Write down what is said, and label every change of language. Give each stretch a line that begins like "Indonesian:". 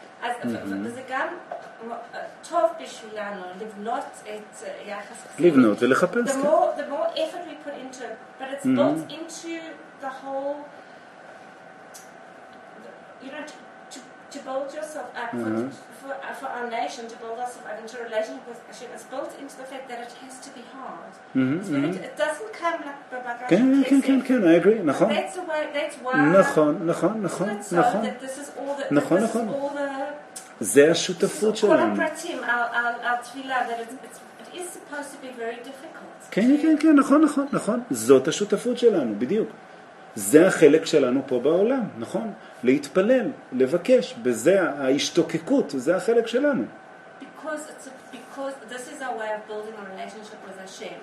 Hebrew: אז זה גם טוב בשבילנו לבנות את יחס חסיד. לבנות ולחפש.
English: The more effort we put into it, but it's built into the whole, you know, to build yourself up for our nation, to build ourselves up into a relationship with Hashem, it's built into the fact that it has to be hard. It doesn't come like Can, I agree. Nachon. That's the way, that's why. Nachon. It's not so that this is all the, nachon. This is all the,
Hebrew: זה השותפות שלנו. כל הפרטים על תפילה,
English: that it is supposed to be very difficult.
Hebrew: כן, נכון. זאת השותפות שלנו, בדיוק. זה החלק שלנו פה בעולם, נכון? להתפלל, לבקש, בזה ההשתוקקות, זה החלק שלנו.
English: Because this is our way of building a relationship with Hashem.